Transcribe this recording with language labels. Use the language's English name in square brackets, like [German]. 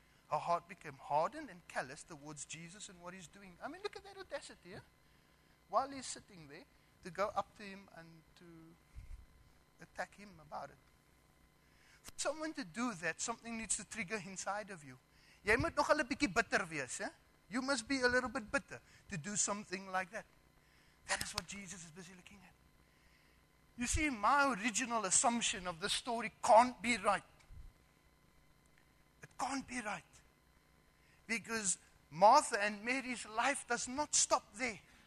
[English] Her heart became hardened and callous towards Jesus and what he's doing. I mean, look at that audacity. Yeah? While he's sitting there, to go up to him and to attack him about it. For someone to do that, something needs to trigger inside of you. [Afrikaans] Jy moet nog 'n bietjie bitter wees, hè? [English] You must be a little bit bitter to do something like that. That is what Jesus is busy looking at. You see, my original assumption of the story can't be right. It can't be right. Because Martha and Mary's life does not stop there.